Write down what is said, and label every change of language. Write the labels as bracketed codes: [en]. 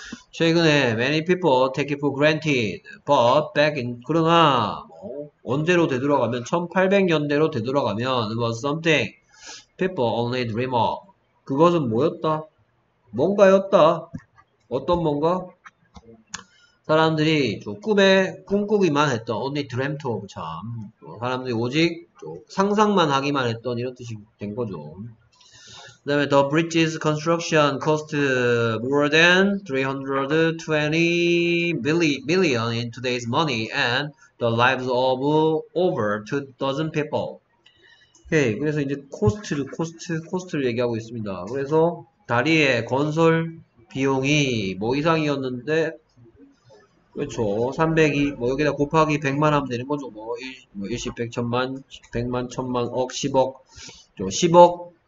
[en] 최근에 many people take it for granted, but back in [ko] 그러나 뭐 언제로 되돌아가면 1800년대로 되돌아가면 [en] it was something people only dream of. [ko] 그것은 뭐였다? 뭔가였다. 어떤 뭔가? 사람들이 좀 꿈에 꿈꾸기만 했던 [en] only dreamt of [ko] 참. 사람들이 오직 좀 상상만 하기만 했던 이런 뜻이 된 거죠. 그 다음에 [en] the bridge's construction cost more than 320 million in today's money and the lives of over 2,000 people. [ko] 오케이, 그래서 이제 코스트를 얘기하고 있습니다. 그래서 다리의 건설 비용이 뭐 이상이었는데 그렇죠. 300이 뭐 여기다 곱하기 100만 하면 되는 거죠. 뭐 일시 100천만 100만 1000만 억 10억 10억